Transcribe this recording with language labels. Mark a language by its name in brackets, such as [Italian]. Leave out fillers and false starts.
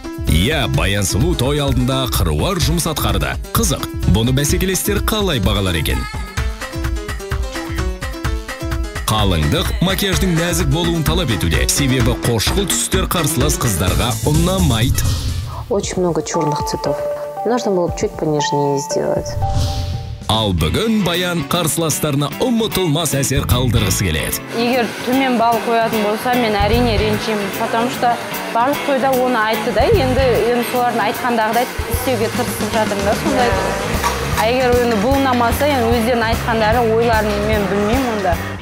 [Kazakh] Ия, Баян Сұлу той алдында қыруар жұмыс атқарды. Қызық, бұны бәсекелестер қалай бағалар екен? Қалыңдық макияждың нәзік болуын талап етуде. Себебі қошқыл түстер қарсылас қыздарға ұнамайды. [Russian] Очень много черных цветов. Нужно было чуть понежнее сделать. [Kazakh] Ал бүгін Баян қарсыластарына ұмытылмас әсер қалдырғысы келеді. Егер төмен бал қоятын болса, мен әрине ренжимін, [Russian] потому что [Kazakh] барлық тойда оны айтты да, енді солардың айтқандағыдай істеуге тырысып жатырмын да, сондай. А егер оны бұлнамаса, енді өздерінің айтқандары ойларын мен білмеймін онда.